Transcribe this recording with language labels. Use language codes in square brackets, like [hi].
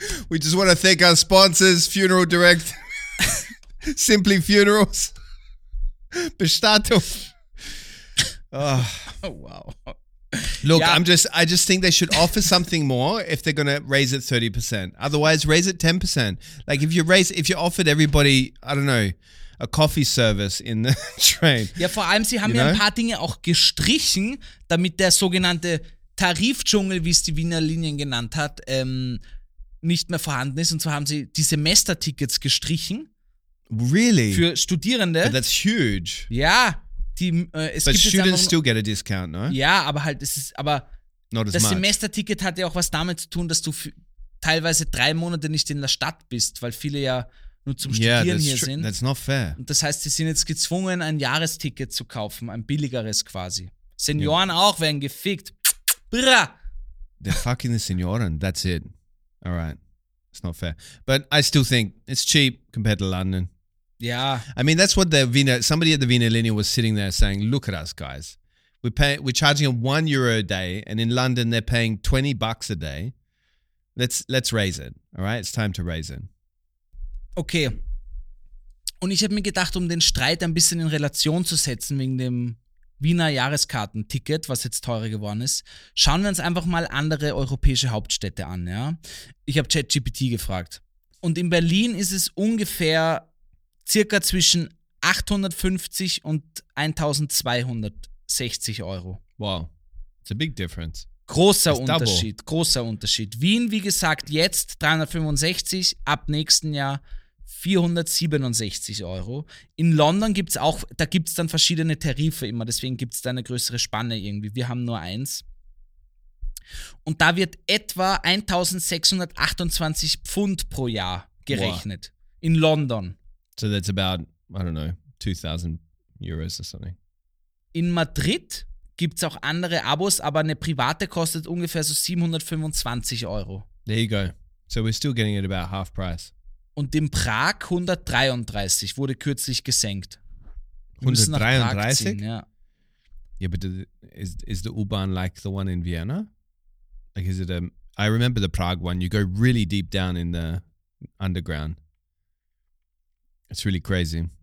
[en] We just want to thank our sponsors, Funeral Direct, Simply Funerals, Bestattung. Oh, wow. Look, yeah. I just think they should offer something more if they're going to raise it 30%. Otherwise, raise it 10%. Like if you offered everybody, I don't know, a coffee service in the train. [de] Ja, vor allem, sie haben ja ein paar Dinge auch gestrichen, damit der sogenannte Tarifdschungel, wie es die Wiener Linien genannt hat, nicht mehr vorhanden ist. Und zwar haben sie die Semestertickets gestrichen. [en] Really? [de] Für Studierende. [en] But that's huge. [de] Ja. Die, es [en] But [de] gibt [en] students [de] einfach, [en] still get a discount, ne? [de] Ja, aber halt, es ist, aber [en] Not as [de] das [en] much. [de] Semesterticket hat ja auch was damit zu tun, dass du teilweise 3 Monate nicht in der Stadt bist, weil viele ja nur zum Studieren sind. [en] That's not fair. [de] Und das heißt, sie sind jetzt gezwungen, ein Jahresticket zu kaufen, ein billigeres quasi. Senioren auch werden gefickt. Bra. [en] They're fucking the senoren. That's it. All right. It's not fair. But I still think it's cheap compared to London. Yeah. I mean, that's what the Wiener, somebody at the Wiener Linie was sitting there saying, look at us, guys. We're charging them €1 a day, and in London they're paying $20 a day. Let's raise it, all right? It's time to raise it. Okay. [de] Und ich habe mir gedacht, um den Streit ein bisschen in Relation zu setzen wegen dem Wiener Jahreskartenticket, was jetzt teurer geworden ist, schauen wir uns einfach mal andere europäische Hauptstädte an, ja? Ich habe ChatGPT gefragt. Und in Berlin ist es ungefähr circa zwischen 850 und 1260 Euro. [en] Wow, it's a big difference. [de] Großer Unterschied, großer Unterschied. Wien, wie gesagt, jetzt 365, ab nächsten Jahr 467 Euro. In London gibt es auch, da gibt es dann verschiedene Tarife immer, deswegen gibt es da eine größere Spanne irgendwie. Wir haben nur eins. Und da wird etwa 1628 Pfund pro Jahr gerechnet. [en] Wow. In London. So that's about, I don't know, 2000 Euros or something. [de] In Madrid gibt es auch andere Abos, aber eine private kostet ungefähr so 725 Euro. [en] There you go. So we're still getting it about half price. [de] Und in Prag 133, wurde kürzlich gesenkt. 133? Ja, [en] but is the U-Bahn like the one in Vienna? Like, is it a... I remember the Prague one. You go really deep down in the underground. It's really crazy.